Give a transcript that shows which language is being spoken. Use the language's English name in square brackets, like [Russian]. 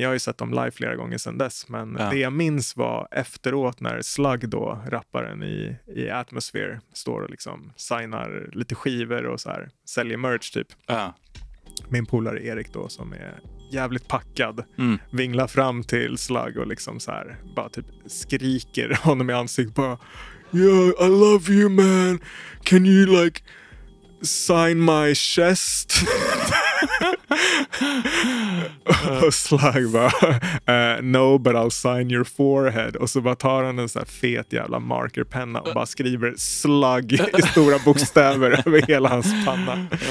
[Swedish] Jag har ju sett dem live flera gånger sedan dess, men det jag minns var efteråt när Slug då, rapparen i Atmosphere, står och liksom signar lite skivor och så här, säljer merch typ. Min polare Erik då, som är jävligt packad, vinglar fram till Slug och liksom så här, bara typ skriker honom i ansiktet på: [English] "Yeah, I love you, man. Can you like sign my chest?" Slug [Swedish] bara, [English] "No, but I'll sign your forehead." [Swedish] Och så bara tar han en sån här fet jävla markerpenna och bara skriver Slug i stora bokstäver över hela hans panna.